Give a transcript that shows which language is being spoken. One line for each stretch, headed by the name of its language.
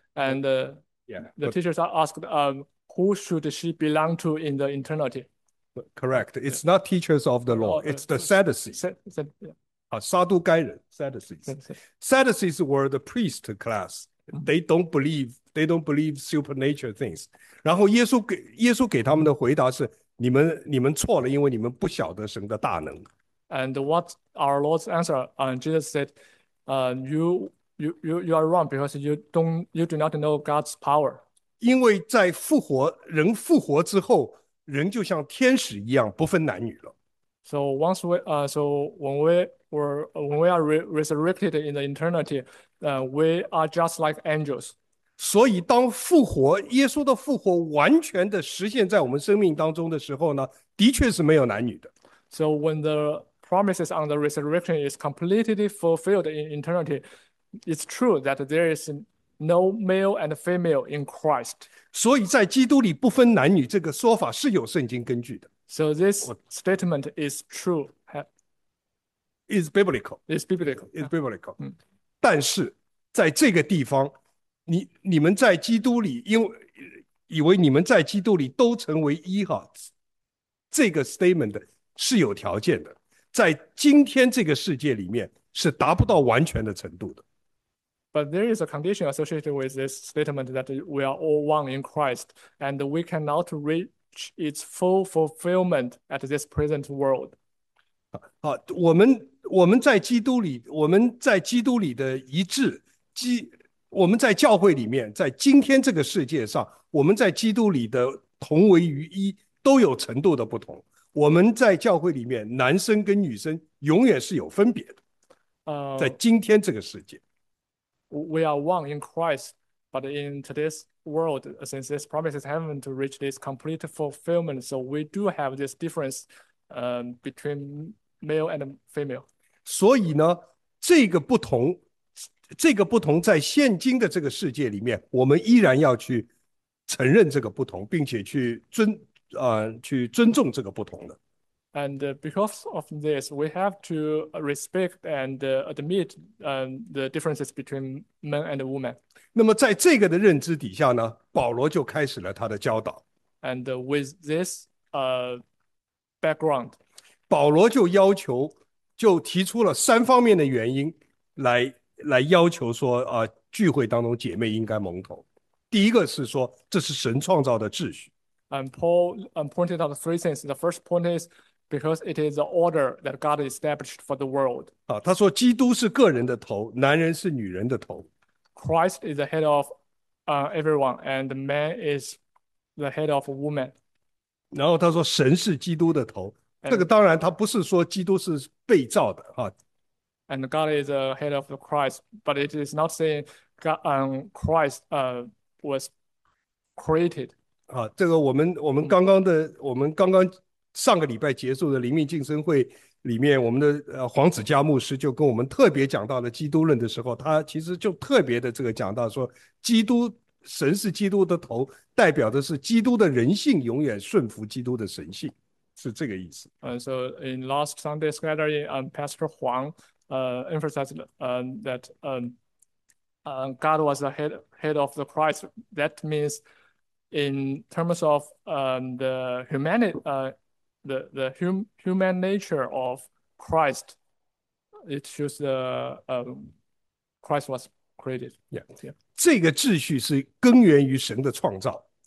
English: And the teachers asked, who should she belong to in the eternity? Correct. It's not teachers of the law. It's the Sadducees. Sadducees. Sadducees were the priest class. They don't believe supernatural things.
Chinese: 然后耶稣给他们的回答是：你们错了，因为你们不晓得神的大能。
English: And what our Lord's answer? Jesus said, you are wrong because you do not know God's power.
Chinese: 因为在复活，人复活之后，人就像天使一样，不分男女了。
English: So once we so when we were when we are resurrected in the eternity, we are just like angels.
Chinese: 所以，当复活，耶稣的复活完全的实现在我们生命当中的时候呢，的确是没有男女的。
English: So when the promises on the resurrection is completely fulfilled in eternity, it's true that there is no male and female in Christ.
Chinese: 所以在基督里不分男女这个说法是有圣经根据的，
English: So this statement is true, is biblical, is biblical, is biblical。
Chinese: 但是在这个地方，你们在基督里，因为以为你们在基督里都成为一哈，这个 statement 是有条件的，在今天这个世界里面是达不到完全的程度的。
English: But there is a condition associated with this statement that we are all one in Christ, and we cannot read. Its full fulfillment at this present world.
Chinese: 好，我们在基督里，我们在基督里的一致，我们在教会里面，在今天这个世界上，我们在基督里的同为于一，都有程度的不同。我们在教会里面，男生跟女生永远是有分别的，在今天这个世界。
English: We are one in Christ, but in today's world, since this promises haven't reached this complete fulfillment, so we do have this difference, between male and female.
Chinese: 所以呢，这个不同在现今的这个世界里面，我们依然要去承认这个不同，并且去尊重这个不同的。
English: And because of this, we have to respect and admit the differences between men and women.
Chinese: 那么在这个的认知底下呢，保罗就开始了他的教导。
English: And with this background,
Chinese: 保罗就要求。就提出了三方面的原因来要求说，聚会当中姐妹应该蒙头。第一个是说，这是神创造的秩序。
English: Paul pointed out three things. The first point is because it is the order that God established for the world.
Chinese: 他说基督是个人的头，男人是女人的头。
English: Christ is the head of everyone, and man is the head of woman.
Chinese: 然后他说神是基督的头。这个当然，他不是说基督是被造的啊。
English: And God is the head of Christ, but it is not saying God, Christ was created.
Chinese: 这个我们刚刚上个礼拜结束的灵命进深会里面，我们的黄子佼牧师就跟我们特别讲到了基督论的时候，他其实就特别的这个讲到说，基督神是基督的头，代表的是基督的人性永远顺服基督的神性，是这个意思。
English: So in last Sunday's gathering, Pastor Huang emphasized that God was the head of the Christ. That means, in terms of the humanity, the human nature of Christ, it shows the Christ was created.
Chinese: Yeah. 这个秩序是根源于神的创造。